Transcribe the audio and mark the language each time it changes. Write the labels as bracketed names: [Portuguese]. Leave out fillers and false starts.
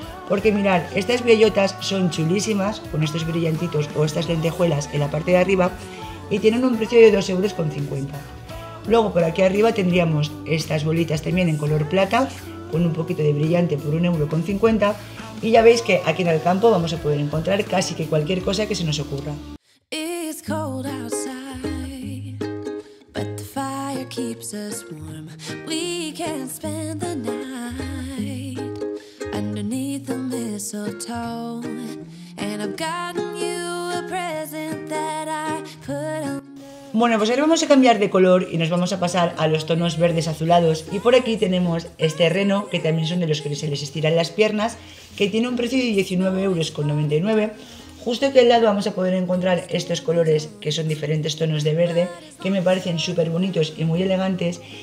[Spanish] Porque mirad, estas bellotas son chulísimas, con estos brillantitos o estas lentejuelas en la parte de arriba, y tienen un precio de 2,50 €. Luego por aquí arriba tendríamos estas bolitas también en color plata, con un poquito de brillante, por 1,50 €. Y ya veis que aquí en el campo vamos a poder encontrar casi que cualquier cosa que se nos ocurra. [English] It's cold outside, but the fire keeps us warm. We can spend the night underneath the mistletoe. And I've gotten you a present that I put on. [Spanish] Bueno, pues ahora vamos a cambiar de color y nos vamos a pasar a los tonos verdes azulados. Y por aquí tenemos este reno, que también son de los que se les estiran las piernas, que tiene un precio de 19,99 €. Justo aquí al lado vamos a poder encontrar estos colores, que son diferentes tonos de verde, que me parecen súper bonitos y muy elegantes.